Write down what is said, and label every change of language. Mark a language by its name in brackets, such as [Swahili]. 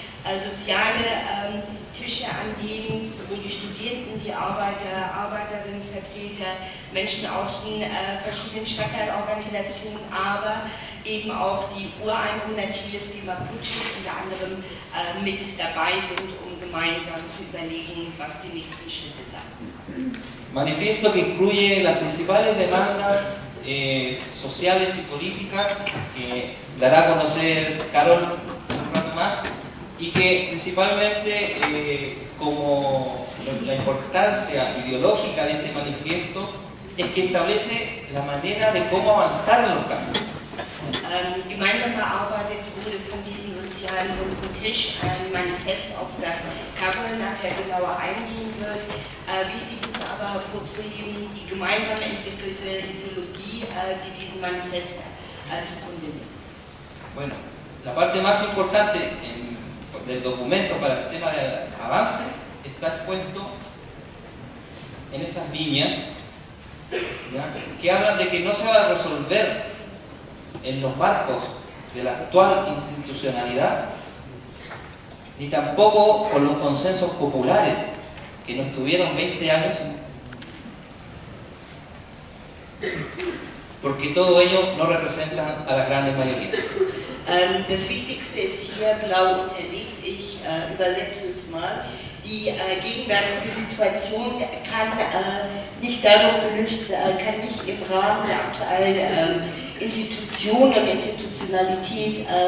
[German] Soziale Tische, an denen sowohl die Studierenden, die Arbeiter, Arbeiterinnen, Vertreter, Menschen aus den verschiedenen Stadtteilorganisationen, aber eben auch die Ureinwohner Chiles, die Mapuches, unter anderem mit dabei sind, um gemeinsam zu überlegen, was die nächsten Schritte sind. [Spanish] Manifiesto que incluye las principales demandas sociales y políticas que dará a conocer Carol un rato más y que principalmente como la importancia ideológica de este manifiesto es que establece la manera de cómo avanzar en los cambios. [German] Gemeinsam erarbeitet wurde von diesem sozialen runden Tisch ein Manifest, auf das Carol nachher genauer eingehen wird. Wichtig ist aber hervorzuheben die gemeinsam entwickelte Ideologie, die diesen Manifest zugrunde liegt. [Spanish] Bueno, la parte más importante del documento para el tema del avance está puesto en esas viñas, ¿ya? Que hablan de que no se va a resolver en los marcos de la actual institucionalidad, ni tampoco con los consensos populares que nos tuvieron 20 años, porque todo ello no representa a las grandes mayorías. [German] Das Wichtigste ist hier blau unterlegt, ich übersetze es mal. Die gegenwärtige Situation kann nicht dadurch gelöst werden, kann nicht im Rahmen der aktuellen Institutionen und Institutionalität